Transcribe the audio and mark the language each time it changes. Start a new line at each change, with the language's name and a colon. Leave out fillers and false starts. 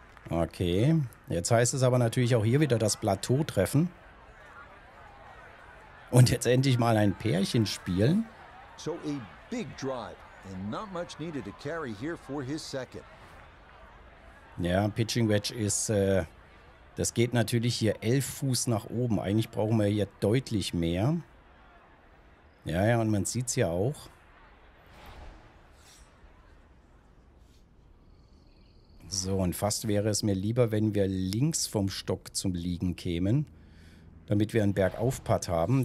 German: Okay, jetzt heißt es aber natürlich auch hier wieder das Plateau treffen. Und jetzt endlich mal ein Pärchen spielen.
English: So, a big drive and not much needed to carry here for his second.
German: Ja, Pitching Wedge ist, das geht natürlich hier 11 Fuß nach oben. Eigentlich brauchen wir hier deutlich mehr. Ja, ja, und man sieht es ja auch. So, und fast wäre es mir lieber, wenn wir links vom Stock zum Liegen kämen, damit wir einen Bergaufputt haben.